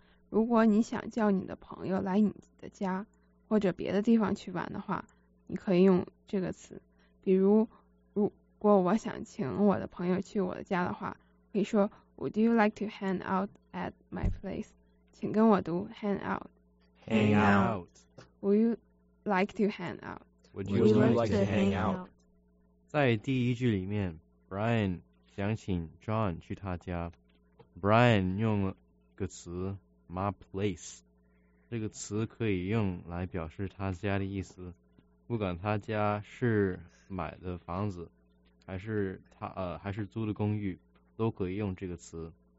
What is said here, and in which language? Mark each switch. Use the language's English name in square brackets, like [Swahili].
[Chinese] 如果你想叫你的朋友来你的家或者别的地方去玩的话，你可以用这个词。比如，如果我想请我的朋友去我的家的话，可以说 [English] Would you like to hang out at my place? [Chinese] 请跟我读 hang out. [English] Hang out. Would you like to hang out? Would you like to hang out? [Chinese] 在第一句里面 ，Brian 想请 John 去他家。 Brian 用了个词 my place。这个词可以用来表示他家的意思。不管他家是买的房子还是他还是租的公寓，都可以用这个词。